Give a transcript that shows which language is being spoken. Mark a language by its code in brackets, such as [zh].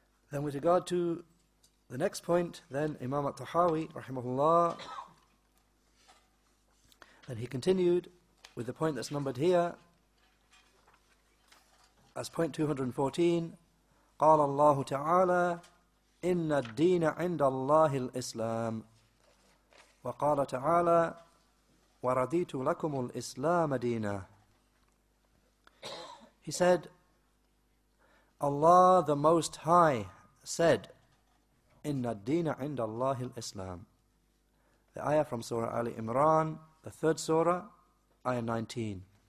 [en] Then with regard to the next point, then Imam at-Tahaawiyyah, rahimahullaah, then he continued with the point that's numbered here as point 214. [ar] قال الله تعالى إن الدين عند الله الإسلام وقال تعالى ورديت لكم الإسلام دينا. [en] He said, Allah the Most High said, [ar] Inna ad-deena 'inda Allahi al-Islam. [en] The ayah from Surah Ali Imran, the third surah, ayah 19.